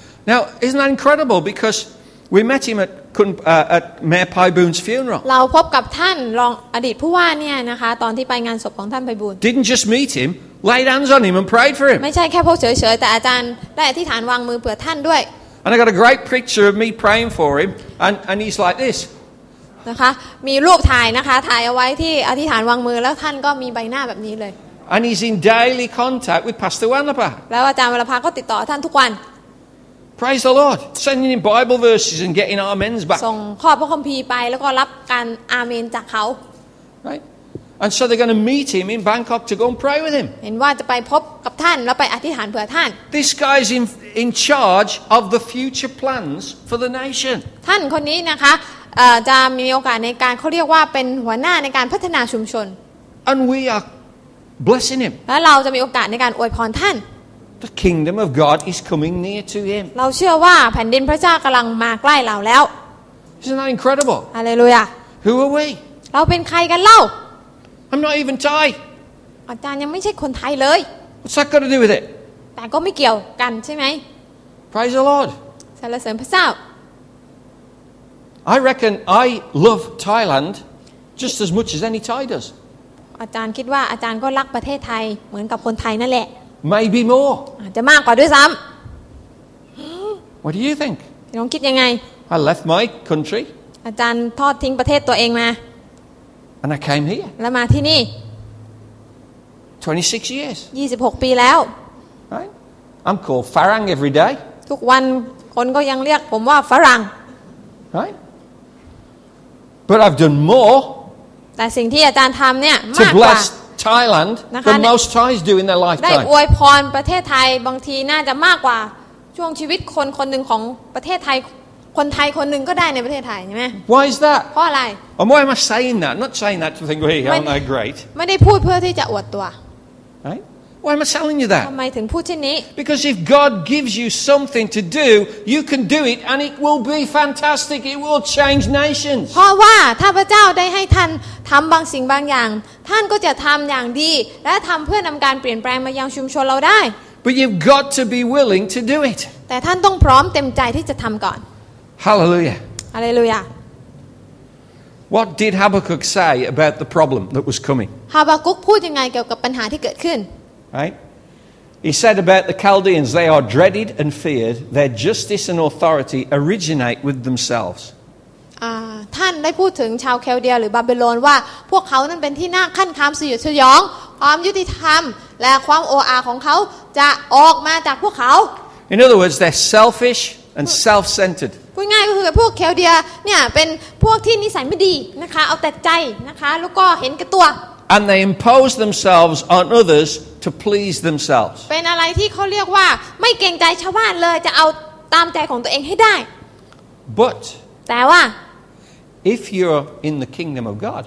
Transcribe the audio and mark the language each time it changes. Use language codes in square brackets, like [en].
[en] Now isn't that incredible because we met him at Mayor Pai Boon's funeral [th] เราพบกับท่านรองอดีตผู้ว่าเนี่ยนะคะตอนที่ไปงานศพของท่านไพบูลย์ [en] Didn't just meet him laid hands on him and prayed for him [th] ไม่ใช่แค่พบเฉยๆแต่อาจารย์ได้อธิษฐานวางมือเผื่อท่านด้วย [en] And I got a great picture of me praying for him and he's like this [th] นะคะมีรูปถ่ายนะคะถ่ายเอาไว้ที่อธิษฐานวางมือแล้วท่านก็มีใบหน้าแบบนี้เลย [en] And he's in daily contact with Pastor Wanlapa [th] แล้วอาจารย์วรพาก็ติดต่อท่านทุกวัน [en] Praise the Lord. Sending in Bible verses and getting amens back. [th] ส่งข้อพระคัมภีร์ไปแล้วก็รับการอาเมนจากเขา [en] Right. And so they're going to meet him in Bangkok to go and pray with him. [th] เห็นว่าจะไปพบกับท่านแล้วไปอธิษฐานเผื่อท่าน [en] This guy's in charge of the future plans for the nation. [th] ท่านคนนี้นะคะจะมีโอกาสในการเขาเรียกว่าเป็นหัวหน้าในการพัฒนาชุมชน [en] And we are blessing him. [th] และเราจะมีโอกาสในการอวยพรท่าน [en] The kingdom of God is coming near to him. [th] เราเชื่อว่าแผ่นดินพระเจ้ากำลังมาใกล้เราแล้ว [en] Isn't that incredible? Hallelujah. Who are we? [th] เราเป็นใครกันเล่า [en] I'm not even Thai. [th] อาจารย์ยังไม่ใช่คนไทยเลย [en] What's that got to do with it? [th] แต่ก็ไม่เกี่ยวกันใช่ไหม [en] Praise the Lord. [th] สรรเสริญพระเจ้า [en] I reckon I love Thailand just as much as any Thai does. [th] อาจารย์คิดว่าอาจารย์ก็รักประเทศไทยเหมือนกับคนไทยนั่นแหละ [en] Maybe more. [th] จะมากกว่าด้วยซ้ำ [en] What do you think? [th] พี่น้องคิดยังไง [en] I left my country. [th] อาจารย์ทอดทิ้งประเทศตัวเองมา [en] And I came here. [th] แล้วมาที่นี่ [en] 26 years. [th] 26ปีแล้ว [en] Right? I'm called Farang every day. [th] ทุกวันคนก็ยังเรียกผมว่าฝรั่ง [en] Right? But I've done more. [th] แต่สิ่งที่อาจารย์ทำเนี่ยมากกว่ [en] าThailand the most Thais do in their lifetime [th] ได้อวยพรประเทศไทยบางทีน่าจะมากกว่าช่วงชีวิตคนคนนึงของประเทศไทยคนไทยคนนึงก็ได้ในประเทศไทยใช่มั้ย [en] Why is that [th] เพราะอะไร [en] Why am I saying that not saying that to think hey aren't I great [th] ไม่ได้พูดเพื่อที่จะอวดตัว [en] Right Why am I telling you that [th] ทำไมถึงพูดเช่นนี้ [en] Because if God gives you something to do you can do it and it will be fantastic it will change nations [th] เพราะว่าถ้าพระเจ้าได้ให้ท่านทำบางสิ่งบางอย่างท่านก็จะทำอย่างดีและทำเพื่อนำการเปลี่ยนแปลงมายังชุมชนเราได้ [en] But you've got to be willing to do it [th] แต่ท่านต้องพร้อมเต็มใจที่จะทำก่อน [en] Hallelujah Hallelujah What did Habakkuk say about the problem that was coming [th] Habakkuk พูดยังไงเกี่ยวกับปัญหาที่เกิดขึ้น [en] Right He said about the Chaldeans they are dreaded and feared their justice and authority originate with themselves [th] ท่านได้พูดถึงชาวแคลเดียหรือบาบิโลนว่าพวกเขานั้นเป็นที่น่าขั้นคามสยดสยองความยุติธรรมและความโอ้อาของเขาจะออกมาจากพวกเขา [en] In other words they're selfish and self-centered [th] พูดง่ายก็คือพวกแคลเดียเนี่ยเป็นพวกที่นิสัยไม่ดีนะคะเอาแต่ใจนะคะแล้วก็เห็นแก่ตัว [en] And they impose themselves on others to please themselves [th] เป็นอะไรที่เขาเรียกว่าไม่เกรงใจชาวบ้านเลยจะเอาตามใจของตัวเองให้ได้ [en] But [th] แต่ว่า [en] If you're in the kingdom of God,